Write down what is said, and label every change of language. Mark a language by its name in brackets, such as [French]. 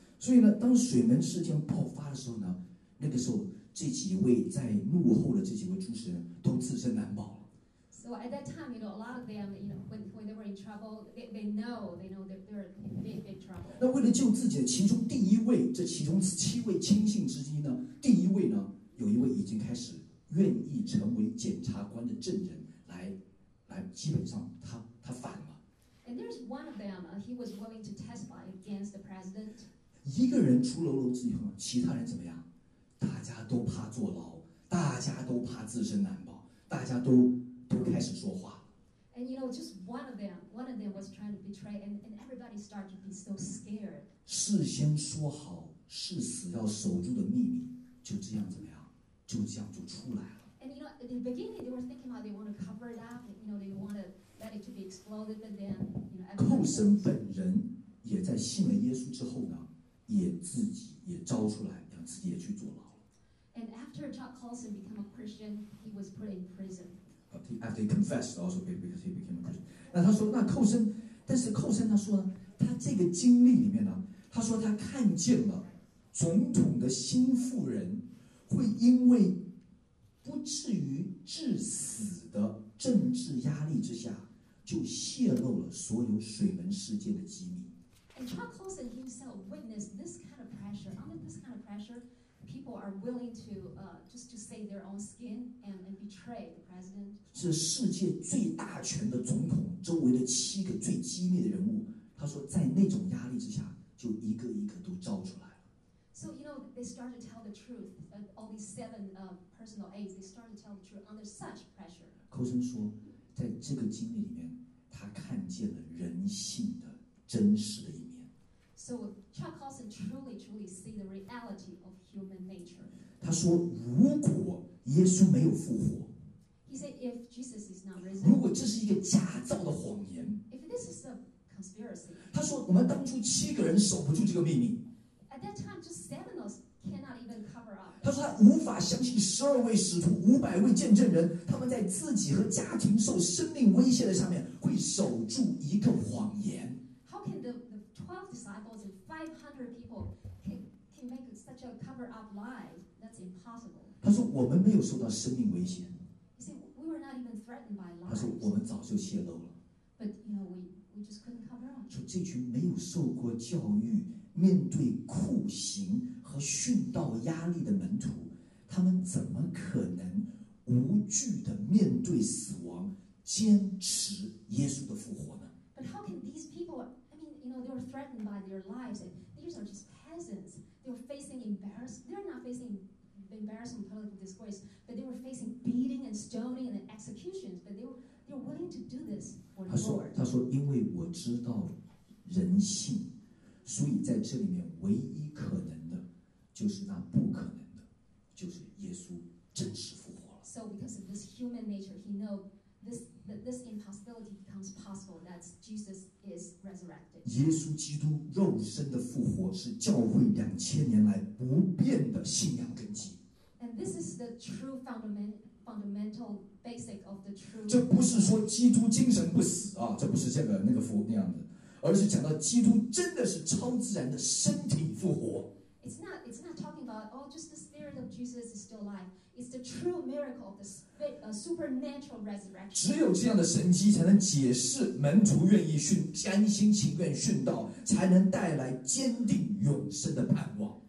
[Chinese] 所以呢，当水门事件爆发的时候呢，那个时候这几位在幕后的这几位主持人都自身难保。 [English] So at that time, you know, a lot of them, you know, when they were in trouble, they know that they're in big trouble. [Chinese] 那为了救自己，其中第一位，这其中7位亲信之一呢，第一位呢，有一位已经开始愿意成为检察官的证人，来，基本上他反了。 [English] And there's one of them, he was willing to testify against the president. [Chinese] 一个人出了娄子以后，其他人怎么样？大家都怕坐牢，大家都怕自身难保，大家都。都开始说话。 [English] And you know, just one of them was trying to betray, and everybody started to be so scared. [Chinese] 事先说好誓死要守住的秘密，就这样怎么样？就这样就出来了。 [English] And you know, in the beginning, they were thinking about they want to cover it up. You know, they want to let it to be exploded. But then, you know, [Chinese] 寇森本人也在信了耶稣之后呢，也自己也招出来，让自己也去坐牢。 [English] And after Chuck Colson became a Christian, he was put in prison. After he confessed, also because he became a Christian. [Chinese] 那他说，那寇森，但是寇森他说呢，他这个经历里面呢，他说他看见了总统的心腹人会因为不至于致死的政治压力之下，就泄露了所有水门事件的机密。 [English] And Chuck Colson himself witnessed this kind of pressure. Under this kind of pressure, people are willing to just to save their own skin and betray the president. [Chinese] 这世界最大权的总统周围的七个最激烈的人物，他说在那种压力之下，就一个一个都招出来了。 [English] So you know they start to tell the truth. All these seven personal aides, they start to tell the truth under such pressure. [Chinese] 寇森说，在这个经历里面，他看见了人性的真实的一面。 [English] So Chuck Colson truly, truly see the reality of human nature. [Chinese] 他说，如果耶稣没有复活， [English] He said, if Jesus is not risen, [Chinese] 如果这是一个假造的谎言， [English] if this is a conspiracy, [Chinese] 他说，我们当初七个人守不住这个秘密。 [English] At that time, just seven of us cannot even cover up. [Chinese] 他说，他无法相信十二位使徒、五百位见证人，他们在自己和家庭受生命威胁的上面，会守住一个谎言。 [English] How can the 12 disciples and 500 people can make such a cover-up lie? That's impossible. [Chinese] 他说我们没有受到生命危险。 [English] He said we were not even threatened by lies. [Chinese] 他说我们早就泄露了。 [English] But you know we just couldn't cover up. [Chinese] 说这群没有受过教育、面对酷刑和殉道压力的门徒，他们怎么可能无惧的面对死亡，坚持耶稣的复活呢？ [English] But how can these people? You know, they were threatened by their lives. These are just peasants. They were facing embarrassment. They're not facing embarrassment, political disgrace, but they were facing beating and stoning and executions. But they were willing to do this for the Lord. [Chinese] 他说，因为我知道人性，所以在这里面唯一可能的就是那不可能的，就是耶稣真实复活了。 [English] So because of this human nature, he knows. This impossibility becomes possible. That Jesus is resurrected. [Chinese] 耶稣基督肉身的复活是教会两千年来不变的信仰根基。 [English] And this is the true fundamental basic of the true. [Chinese] 这不是说基督精神不死啊，这不是这个那个复那样的，而是讲到基督真的是超自然的身体复活。 [English] It's not talking about oh, just the spirit of Jesus is still alive. It's the true miracle, the supernatural resurrection. [Chinese] 只有这样的神迹才能解释门徒愿意殉，甘心情愿殉道，才能带来坚定永生的盼望。